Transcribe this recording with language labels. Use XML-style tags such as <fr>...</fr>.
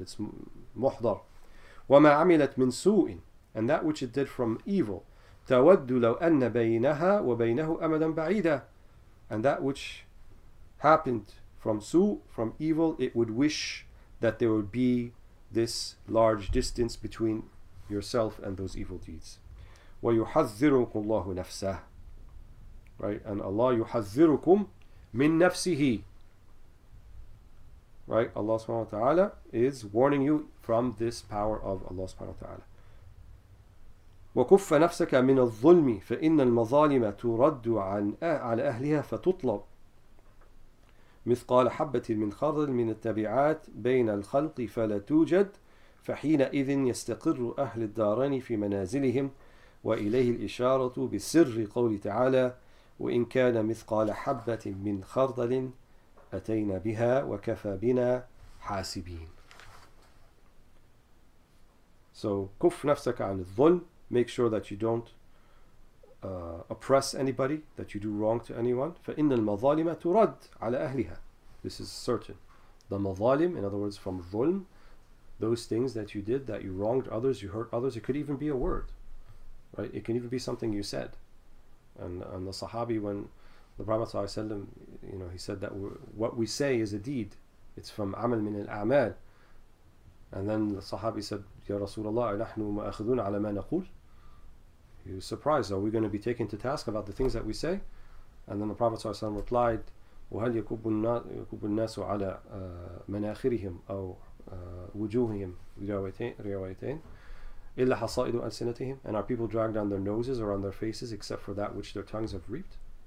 <en>It's muhdara.</en> <ar>وَمَا عَمِلَتْ مِنْ سُوءٍ,</ar> <en>and that which it did from evil,</en> <ar>تَوَدُّ لَوْ أَنَّ بَيْنَهَا وَبَيْنَهُ أَمَدًا بَعِيدًا,</ar> <en>and that which happened from su, from evil, it would wish that there would be this large distance between yourself and those evil deeds.</en> <ar>وَيُحَذِّرُكُمْ اللَّهُ نَفْسَهُ, right?</ar> <en>And Allah</en> <ar>يُحَذِّرُكُمْ مِنْ نَفْسِهِ,</ar> <en>right? Allah subhanahu wa ta'ala is warning you from this power of Allah subhanahu wa ta'ala.</en> <ar>وَكُفَّ نَفْسَكَ مِنَ الظُّلْمِ فَإِنَّ الْمَظَالِمَ تُرَدُّ عَنْ عَلَى أَهْلِهَا فَتُطْلَبْ مِثْقَالَ حَبَّةٍ مِنْ خَرْدَلٍ مِنَ التَّبِعَاتِ بَيْنَ الْخَلْقِ فَلَا تُوجَدْ فَحِينَئِذٍ يَسْتَقِرُّ أَهْلِ الدَّارَيْنِ فِي مَنَازِلِهِمْ وَإِلَيْهِ الْإِشَارَةُ بِسِرِّ قَوْلِ تَعَالَى وَإِنْ كَانَ مِثْقَالَ حَبَّةٍ مِنْ خَرْدَلٍ أَتَيْنَا بِهَا وَكَفَى بِنَا حَاسِبِينَ.</ar> <en>So,</en> <ar>كُفْ نَفْسَكَ عَنِ الظُّلْمِ,</ar> <en>make sure that you don't oppress anybody, that you do wrong to anyone.</en> <ar>فَإِنَّ الْمَظَالِمَ تُرَدْ عَلَى أَهْلِهَا.</ar> <en>This is certain. The mazalim, in other words, from dhulm, those things that you did, that you wronged others, you hurt others, it could even be a word, right? It can even be something you said. And the Sahabi, when the Prophet ﷺ, you know, he said that what we say is a deed. It's from</en> <ar>عَمَلْ مِنَ الْأَعْمَالِ.</ar> <en>And then the Sahabi said,</en> <ar>يَا رَسُولَ اللَّهِ نَحْنُ مُؤَخِذُونَ عَلَى مَا نَقُولُ.</ar> <en>He was surprised. Are we going to be taken to task about the things that we say? And then the Prophet ﷺ replied,</en> <ar>وَهَلْ يَكُبُّ النَّاسُ عَلَىٰ مَنَاخِرِهِمْ أَوْ وُجُوهِهِمْ رِيَوَيْتَيْنِ إِلَّا حَصَائِدُ أَلْسِنَتِهِمْ,</ar> <en>and are people dragged on their noses or on their faces except for that which their tongues have reaped?</en>